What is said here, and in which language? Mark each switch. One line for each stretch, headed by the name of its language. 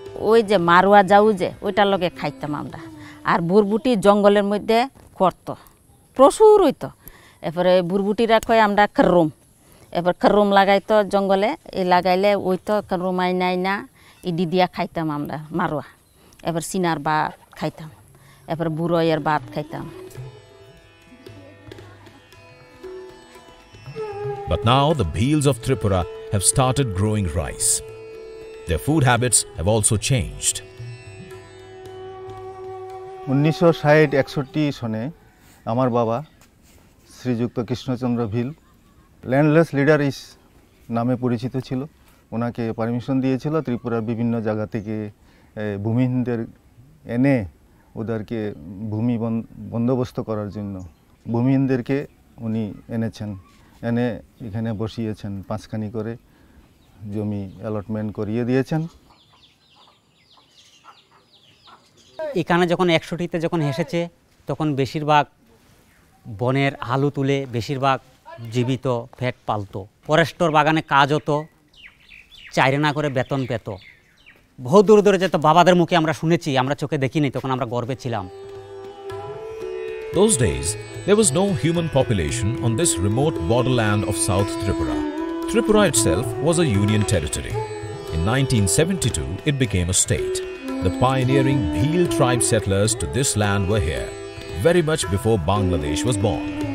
Bangla: ওই যে মারুয়া যাও যে ওইটার লগে খাইতাম আমরা, আর ভুরবুটি জঙ্গলের মধ্যে করতো প্রচুর হইতো। এরপরে ভুরবুটিরা কয় আমরা খরুম, এরপর খরুম লাগাইতো জঙ্গলে, এ লাগাইলে ওইতো খরুম আইনাই না, ইডি দিয়া খাইতাম আমরা মারুয়া। এবার সিনার ভাত খাইতাম, এরপর বুড়ইয়ের ভাত খাইতাম।
English: But now the Bhils of Tripura have started growing rice. Their food habits have also changed.
Bangla: 1961 সনে আমার বাবা শ্রীযুক্ত কৃষ্ণচন্দ্র ভিল ল্যান্ডলেস লিডারিস নামে পরিচিত ছিল, ওনাকে পারমিশন দিয়েছিল ত্রিপুরার বিভিন্ন জায়গা থেকে ভূমিহীনদের এনে ওদেরকে ভূমি বন্দোবস্ত করার জন্য। ভূমিহীনদেরকে উনি এনেছেন, এনে এখানে বসিয়েছেন, পাঁচখানি করে জমি অ্যালটমেন্ট করিয়ে দিয়েছেন। এখানে যখন 61 যখন এসেছে তখন বেশিরভাগ বনের আলু তুলে বেশিরভাগ জীবিত ফ্যাট পালতো, ফরেস্টর বাগানে কাজ হতো, চাইরানা করে বেতন পেত, বহু দূর দূরে যেত। বাবাদের মুখে আমরা শুনেছি, আমরা চোখে দেখিনি, তখন আমরা গর্বে ছিলাম।
English: Those days there was no human population on this remote borderland of South Tripura. Tripura itself was a union territory. In 1972 it became a state. The pioneering Bhil tribe settlers to this land were here very much before Bangladesh was born.